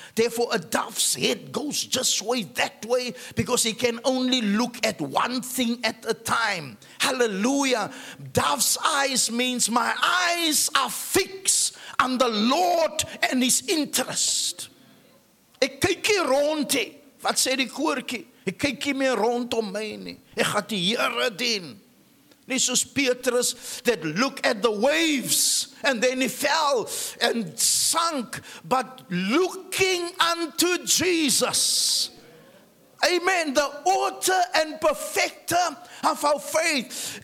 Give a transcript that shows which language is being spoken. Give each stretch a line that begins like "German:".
English: Therefore, a dove's head goes just way that way because he can only look at one thing at a time. Hallelujah. Dove's eyes means my eyes are fixed on the Lord and his interest.
Afrikaans: Ek kyk hier rond, wat sê die koortjie? Ek kyk hier meer rondom my nie. Ek gaan die Here dien. Nie soos
English: Petrus that looked at the waves and then he fell and sunk, but looking unto Jesus. Amen. The author and perfecter of our faith.